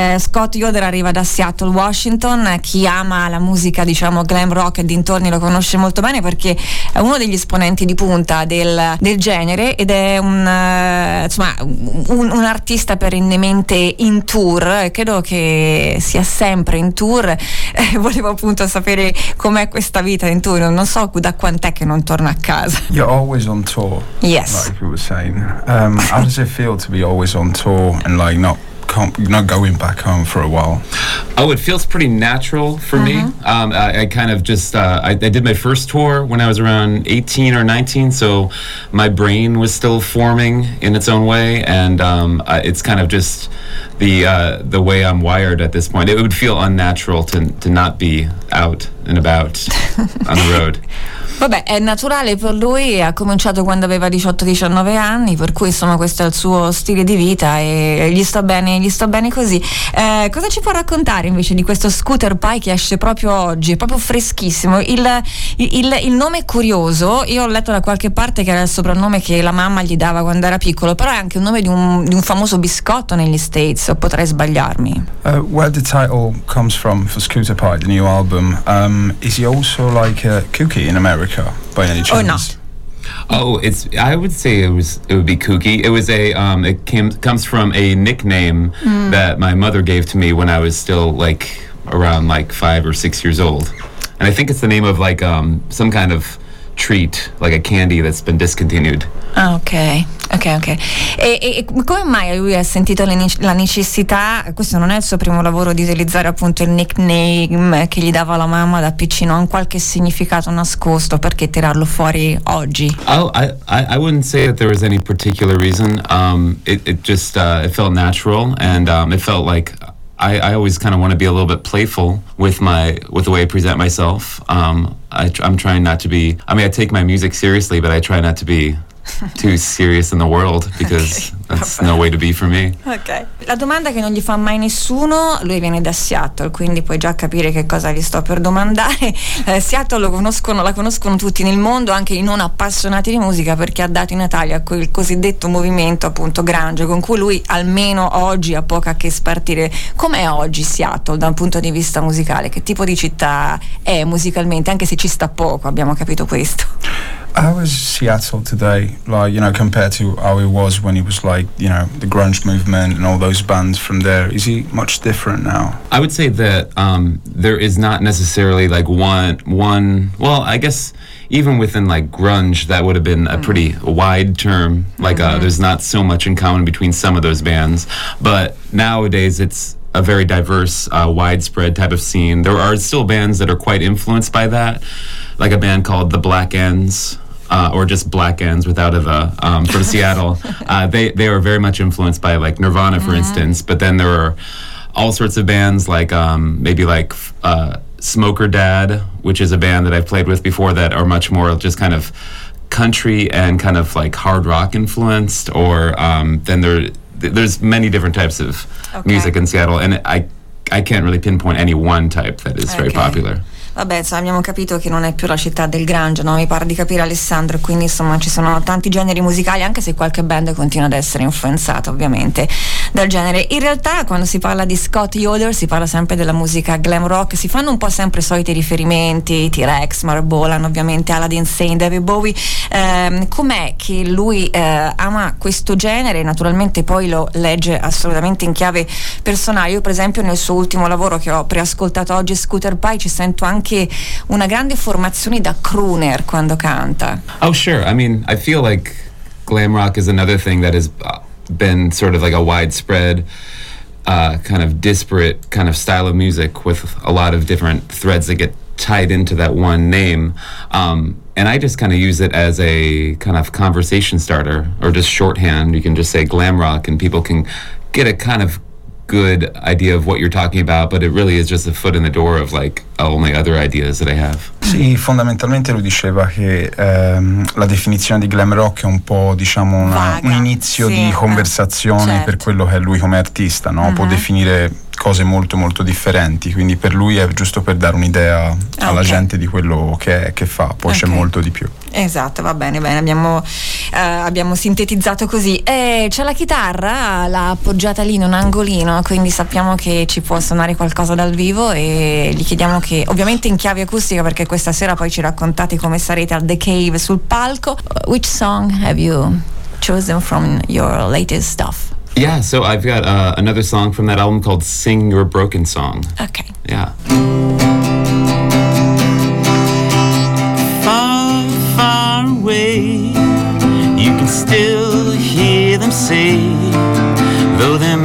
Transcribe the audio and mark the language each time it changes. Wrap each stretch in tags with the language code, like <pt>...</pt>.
<it>Scott Yoder arriva da Seattle, Washington. Chi ama la musica, diciamo, glam rock e dintorni lo conosce molto bene, perché è uno degli esponenti di punta del genere ed è un artista perennemente in tour. Credo che sia sempre in tour. Volevo appunto sapere com'è questa vita in tour. Non so da quant'è che non torna a casa.</it> <en>You're always on tour. Yes. Like you were saying. How does it feel to be always on tour and like not not going back home for a while? Oh, it feels pretty natural for me. I did my first tour when I was around 18 or 19, so my brain was still forming in its own way, and it's kind of just the way I'm wired at this point. It would feel unnatural to not be out and about on the road.</en> <it>Vabbè, è naturale per lui, ha cominciato quando aveva 18-19 anni, per cui insomma questo è il suo stile di vita e gli sta bene così. Cosa ci può raccontare invece di questo Scooter Pie che esce proprio oggi, è proprio freschissimo? Il nome è curioso, io ho letto da qualche parte che era il soprannome che la mamma gli dava quando era piccolo, però è anche il nome di un famoso biscotto negli States, o potrei sbagliarmi.</it> <en>Where the title comes from for Scooter Pie, the new album, is he also like a cookie in America by any chance? Oh, it's, I would say it would be kooky. It was comes from a nickname that my mother gave to me when I was still like around like 5 or 6 years old. And I think it's the name of like some kind of treat, like a candy that's been discontinued. Ok.</en> <it>E come mai lui ha sentito la necessità, questo non è il suo primo lavoro, di utilizzare appunto il nickname che gli dava la mamma da piccino, ha un qualche significato nascosto, perché tirarlo fuori oggi?</it> <en>Oh, I wouldn't say that there was any particular reason. It felt natural, and it felt like I always kind of want to be a little bit playful with the way I present myself. I'm trying not to be, I mean, I take my music seriously, but I try not to be too serious in the world, because that's no way to be for me. Okay.</en> <it>La domanda che non gli fa mai nessuno, lui viene da Seattle, quindi puoi già capire che cosa gli sto per domandare. Seattle la conoscono tutti nel mondo, anche i non appassionati di musica, perché ha dato in Italia quel cosiddetto movimento appunto grunge, con cui lui almeno oggi ha poco a che spartire. Com'è oggi Seattle da un punto di vista musicale? Che tipo di città è musicalmente, anche se ci sta poco, abbiamo capito questo.</it> <en>How is Seattle today, like, you know, compared to how he was when he was like, you know, the grunge movement and all those bands from there? Is he much different now? I would say that there is not necessarily like one, well, I guess even within like grunge, that would have been a pretty wide term. Like, there's not so much in common between some of those bands. But nowadays it's a very diverse, widespread type of scene. There are still bands that are quite influenced by that, like a band called The Black Ends, or just Black Ends without a the, from Seattle. They are very much influenced by like Nirvana, for instance, but then there are all sorts of bands like maybe like Smoker Dad, which is a band that I've played with before, that are much more just kind of country and kind of like hard rock influenced, or then there's many different types of music in Seattle, and I can't really pinpoint any one type that is very popular.</en> <it>Vabbè, insomma, abbiamo capito che non è più la città del grunge, no? Mi pare di capire, Alessandro, quindi insomma ci sono tanti generi musicali, anche se qualche band continua ad essere influenzata ovviamente dal genere. In realtà quando si parla di Scott Yoder si parla sempre della musica glam rock, si fanno un po' sempre i soliti riferimenti, T-Rex, Mark Bolan, ovviamente Aladdin Sane, David Bowie. Com'è che lui ama questo genere? Naturalmente poi lo legge assolutamente in chiave personale. Io per esempio nel suo ultimo lavoro che ho preascoltato oggi, Scooter Pie, ci sento anche una grande formazione da crooner quando canta.</it> <en>Oh sure, I mean, I feel like glam rock is another thing that has been sort of like a widespread kind of disparate kind of style of music with a lot of different threads that get tied into that one name. And I just kind of use it as a kind of conversation starter, or just shorthand. You can just say glam rock and people can get a kind of good idea of what you're talking about, but it really is just a foot in the door of like all my other ideas that I have.</en> <it>Sì, fondamentalmente lui diceva che la definizione di glam rock è un po', diciamo, un inizio di conversazione per quello che è lui come artista, no? Può definire cose molto molto differenti, quindi per lui è giusto per dare un'idea alla gente di quello che fa, poi c'è molto di più. Esatto, va bene, bene, abbiamo sintetizzato così. C'è la chitarra, l'ha appoggiata lì in un angolino, quindi sappiamo che ci può suonare qualcosa dal vivo, e gli chiediamo, che ovviamente in chiave acustica, perché questa sera poi ci raccontate come sarete al The Cave sul palco.</it> <en>Which song have you chosen from your latest stuff? Yeah, so I've got another song from that album called Sing Your Broken Song. Okay. Yeah. Far, far away, you can still hear them say, though they're</en>